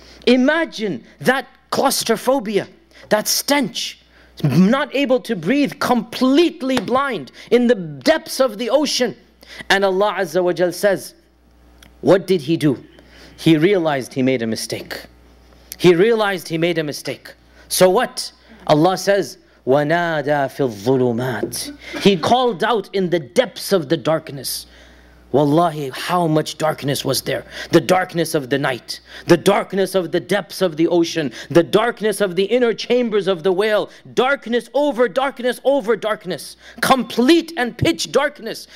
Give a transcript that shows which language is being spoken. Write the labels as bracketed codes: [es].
[en] Imagine that claustrophobia, that stench, not able to breathe, completely blind in the depths of the ocean. And Allah Azza wa Jal says, what did he do? He realized he made a mistake. He realized he made a mistake. So what? Allah says, [ar] وَنَادَى فِي الظُّلُمَاتِ. [en] He called out in the depths of the darkness. Wallahi, how much darkness was there? The darkness of the night, the darkness of the depths of the ocean, the darkness of the inner chambers of the whale, darkness over darkness over darkness, complete and pitch darkness.